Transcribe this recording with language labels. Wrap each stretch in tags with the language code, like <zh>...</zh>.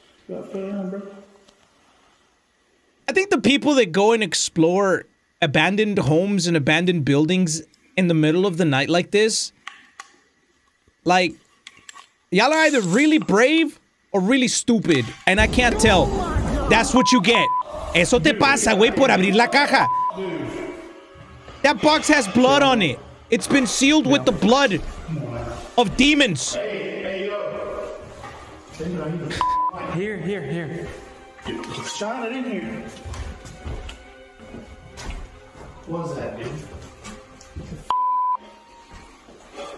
<en>I think the people that go and explore abandoned homes and abandoned buildings in the middle of the night like this, like, y'all are either really brave or really stupid, and I can't tell. That's what you get.</en> <es>Eso te pasa, güey, por abrir la caja.</es> <en>That box has blood on it. It's been sealed with the blood of demons. Here. Shine it in here. What was that, dude?</en>